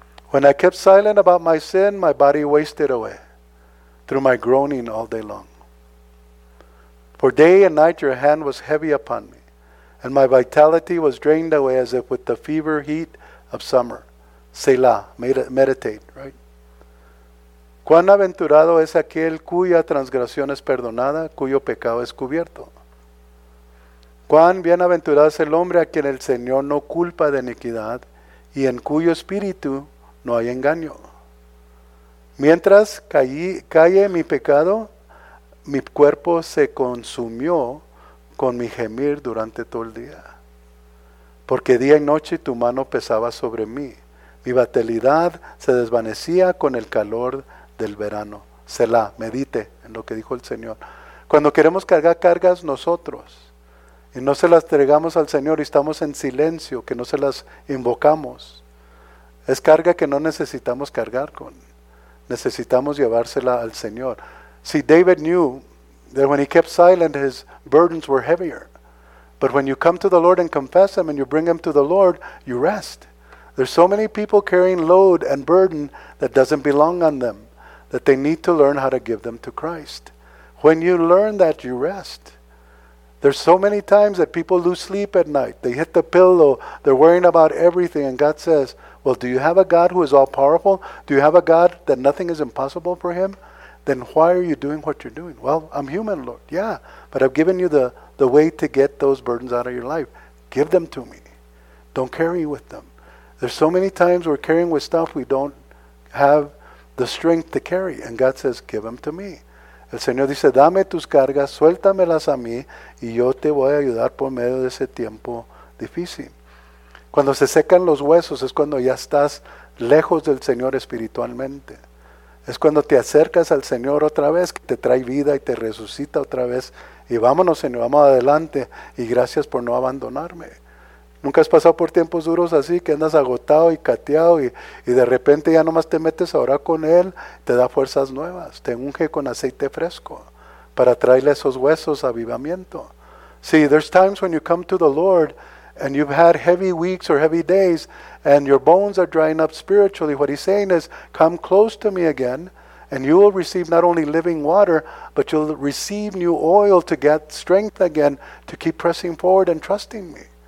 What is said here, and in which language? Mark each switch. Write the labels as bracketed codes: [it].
[en] When I kept silent about my sin, my body wasted away through my groaning all day long. For day and night your hand was heavy upon me, and my vitality was drained away as if with the fever heat of summer. Selah, meditate, right? [es] Cuán aventurado es aquel cuya transgresión es perdonada, cuyo pecado es cubierto. Cuán bienaventurado es el hombre a quien el Señor no culpa de iniquidad y en cuyo espíritu no hay engaño. Mientras cae mi pecado, mi cuerpo se consumió con mi gemir durante todo el día. Porque día y noche tu mano pesaba sobre mí. Mi vitalidad se desvanecía con el calor del verano. Selah, medite en lo que dijo el Señor. Cuando queremos cargar cargas nosotros y no se las entregamos al Señor y estamos en silencio, que no se las invocamos, es carga que no necesitamos cargar con. Necesitamos llevársela al Señor. [en] See, David knew that when he kept silent, his burdens were heavier. But when you come to the Lord and confess them and you bring them to the Lord, you rest. There's so many people carrying load and burden that doesn't belong on them, that they need to learn how to give them to Christ. When you learn that, you rest. There's so many times that people lose sleep at night. They hit the pillow. They're worrying about everything. And God says, well, do you have a God who is all-powerful? Do you have a God that nothing is impossible for him? Then why are you doing what you're doing? Well, I'm human, Lord. Yeah, but I've given you the way to get those burdens out of your life. Give them to me. Don't carry with them. There's so many times we're carrying with stuff we don't have the strength to carry. And God says, give them to me. [es] El Señor dice, dame tus cargas, suéltamelas a mí, y yo te voy a ayudar por medio de ese tiempo difícil. Cuando se secan los huesos es cuando ya estás lejos del Señor espiritualmente. Es cuando te acercas al Señor otra vez, que te trae vida y te resucita otra vez. Y vámonos, Señor, vamos adelante, y gracias por no abandonarme. ¿Nunca has pasado por tiempos duros así, que andas agotado y cateado y de repente ya nomás te metes a orar con Él, te da fuerzas nuevas, te unge con aceite fresco para traerle esos huesos a avivamiento? [en] See, there's times when you come to the Lord and you've had heavy weeks or heavy days and your bones are drying up spiritually. What He's saying is, come close to me again and you will receive not only living water, but you'll receive new oil to get strength again to keep pressing forward and trusting me.